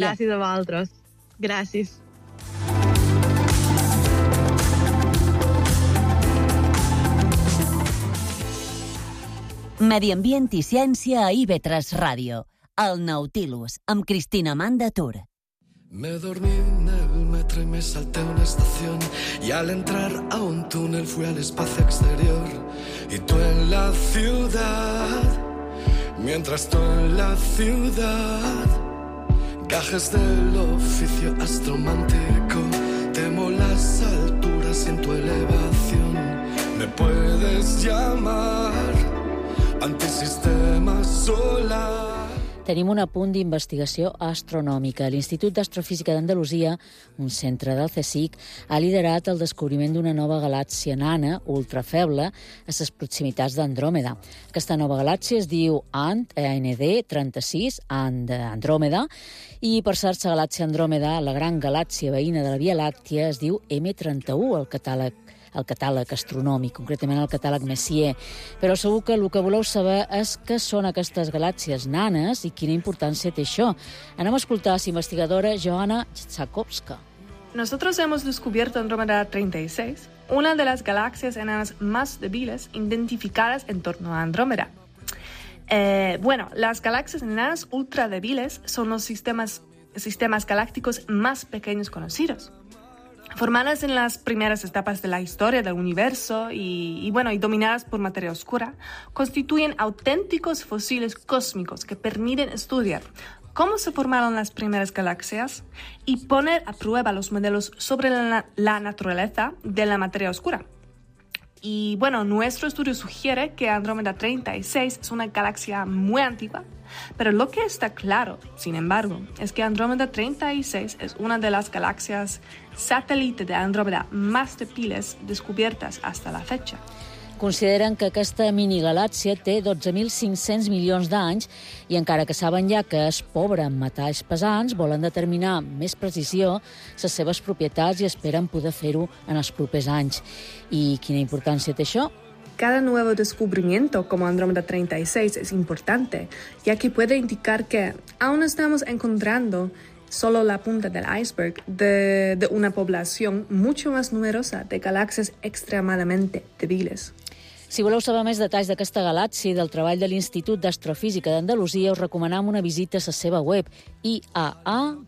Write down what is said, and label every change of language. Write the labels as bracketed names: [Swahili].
[Catalan] Moltes gràcies a vosaltres. Gràcies. Medi Ambient i Ciència a IB3 Ràdio. El Nautilus, amb Cristina Mandatur. [Spanish] Me dormí en el metro y me salté una estación. Y al entrar a un túnel fui al espacio exterior. Y tú en la ciudad, mientras tú en la ciudad. Gajes del oficio astromántico. Temo las alturas y en tu elevación. Me puedes llamar antisistema solar. [Catalan] Tenim un apunt d'investigació astronòmica. L'Institut d'Astrofísica d'Andalusia, un centre del CSIC, ha liderat el descobriment d'una nova galàxia nana, ultrafeble, a les proximitats d'Andròmeda. Aquesta nova galàxia es diu AND-36, AND-Andròmeda, i per cert, la galàxia Andròmeda, la gran galàxia veïna de la Via Làctia, es diu M31, el catàleg astronòmic, concretament el catàleg Messier. Però segur que el que voleu saber és què són aquestes galàxies nanes i quina importància té això. Anem a escoltar a la investigadora Joana Tsakovska. [Spanish] Nosotros hemos descubierto Andrómeda 36, una de las galaxias enanas más débiles identificadas en torno a Andrómeda. Bueno, las galaxias enanas ultradébiles son los sistemas galácticos más pequeños conocidos, formadas en las primeras etapas de la historia del universo y dominadas por materia oscura, constituyen auténticos fósiles cósmicos que permiten estudiar cómo se formaron las primeras galaxias y poner a prueba los modelos sobre la naturaleza de la materia oscura. Y bueno, nuestro estudio sugiere que Andrómeda 36 es una galaxia muy antigua, pero lo que está claro, sin embargo, es que Andrómeda 36 es una de las galaxias satélite de Andrómeda más débiles descubiertas hasta la fecha. [Catalan] Consideren que aquesta minigalàxia té 12.500 milions d'anys i encara que saben ja que és pobra en metalls pesants, volen determinar amb més precisió les seves propietats i esperen poder fer-ho en els propers anys. I quina importància té això? [Spanish] Cada nuevo descubrimiento como Andrómeda 36 es importante, ya que puede indicar que aún estamos encontrando solo la punta del iceberg de una población mucho más numerosa de galaxias extremadamente débiles. [Catalan] Si voleu saber més detalls d'aquesta galàxia i del treball de l'Institut d'Astrofísica d'Andalusia, us recomanem una visita a la seva web, iaa.csic.es.